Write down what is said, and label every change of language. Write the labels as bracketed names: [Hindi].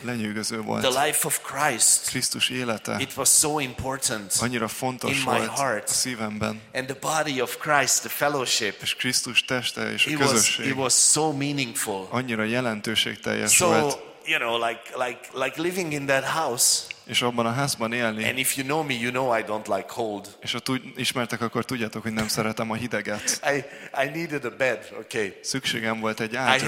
[Hungarian] Lenyűgöző volt. [English] The life of Christ. [Hungarian] Krisztus élete. [English] It was so important. [Hungarian] Annyira fontos [English] in my [Hungarian] volt [English] heart. [Hungarian] A szívemben. [English] And the body of Christ, the fellowship. [Hungarian] És Krisztus teste és a [English] it [Hungarian] közösség. [English] It was so meaningful. [Hungarian] Annyira jelentőségteljes [English] so, [Hungarian] volt. [English] You know, like living in that house. [Hungarian] És abban a házban élni. [English] And if you know me, you know I don't like cold. [Hungarian] És ha ismertek, akkor tudjátok, hogy nem szeretem a hideget. [English] I needed a bed, okay. [Hungarian] Szükségem volt egy ágyra.